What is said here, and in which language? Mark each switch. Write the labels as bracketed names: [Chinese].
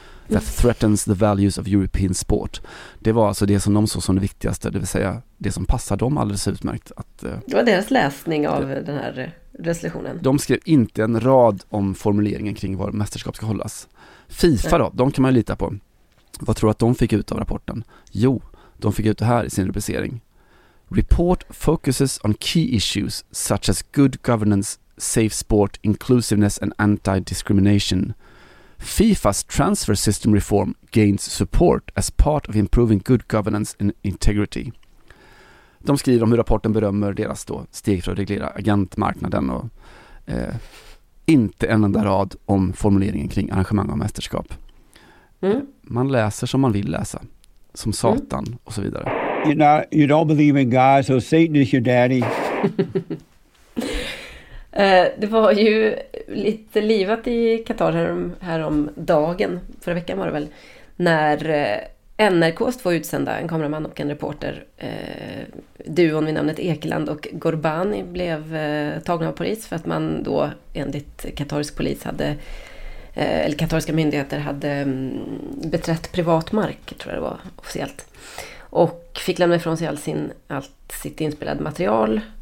[English] that threatens the values of European sport. [Swedish] Det var alltså det som de såg som det viktigaste, det vill säga det som passar dem alldeles utmärkt. Att, det var deras läsning av den här resolutionen. De skrev inte en rad om formuleringen kring var mästerskap ska hållas. FIFA då, de kan man ju lita på. Vad tror du att de fick ut av rapporten? Jo, de fick ut det här i sin rubricering. [English] Report focuses on key issues such as good governance, safe sport, inclusiveness and anti-discrimination. FIFA's transfer system reform gains support as part of improving good governance and integrity. [Swedish] De skriver om hur rapporten berömmer deras då steg för att reglera agentmarknaden och inte en enda rad om formuleringen kring arrangemang och mästerskap. Mm. Man läser som man vill läsa, som Satan och så vidare. [English] You don't believe in God, so Satan is your daddy. [Swedish] Det var ju lite livat i Qatar härom dagen, förra veckan var det väl, när NRKs två utsända, en kameraman och en reporter, duon vid namnet Ekeland och Gorbani, blev tagna av polis för att man då enligt katarisk polis hade, eller katariska myndigheter hade beträtt privat mark, tror jag det var officiellt, och fick lämna ifrån sig allt sitt inspelade material.